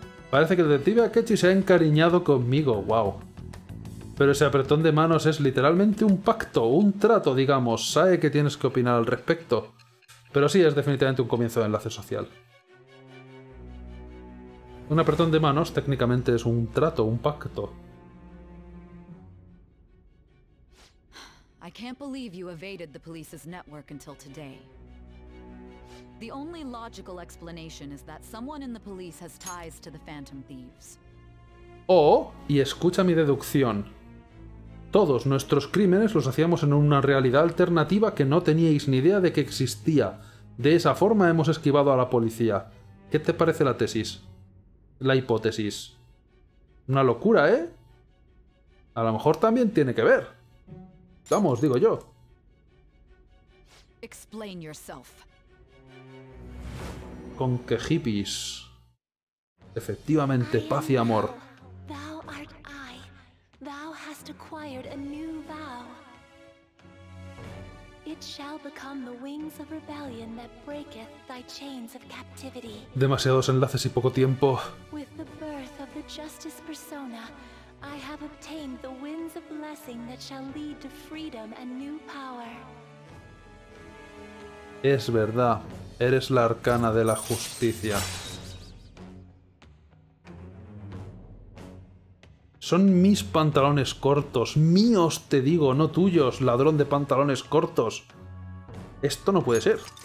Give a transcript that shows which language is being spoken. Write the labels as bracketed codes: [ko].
[es] Parece que el detective Akechi se ha encariñado conmigo. Wow. Pero ese apretón de manos es literalmente un pacto, un trato, digamos. Sabe que tienes que opinar al respecto. Pero sí, es definitivamente un comienzo de enlace social. Un apretón de manos técnicamente es un trato, un pacto. [en] I can't believe you evaded the police's network until today. The only logical explanation is that someone in the police has ties to the Phantom Thieves. [es] Oh, y escucha mi deducción. Todos nuestros crímenes los hacíamos en una realidad alternativa que no teníais ni idea de que existía. De esa forma hemos esquivado a la policía. ¿Qué te parece la tesis? La hipótesis. Una locura, ¿eh? A lo mejor también tiene que ver. Vamos, digo yo. [en] Explain yourself. [es] Con que hippies. Efectivamente, paz y amor. [en] Thou art I. Thou hast acquired a new vow. It shall become the wings of rebellion that breaketh thy chains of captivity. [es] Demasiados enlaces y poco tiempo. [en] With the birth of the justice persona, I have obtained the winds of blessing that shall lead to freedom and new power. [es] Es verdad, eres la arcana de la justicia. Son mis pantalones cortos, míos te digo, no tuyos, ladrón de pantalones cortos. Esto no puede ser.